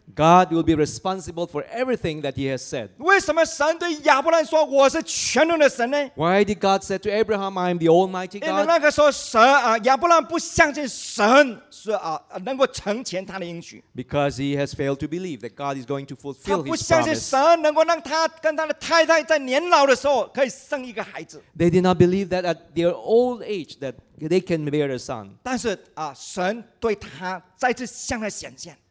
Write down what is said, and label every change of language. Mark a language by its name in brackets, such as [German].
[English] God will be responsible for everything that he has said. [Chinese] 为什么神对亚伯兰说我是全能的神呢？ [English] Why did God say to Abraham, I am the Almighty God? [Chinese] 因为那个时候亚伯兰不相信神是能够成全他的应许。 [English] Because he has failed to believe that God is going to fulfill his promise. [Chinese] 他不相信神能够让他跟他的太太在年老的时候可以生一个孩子。 [English] They did not believe that at their old age that they can bear a son. [Chinese] 但是神对他再次向他显现。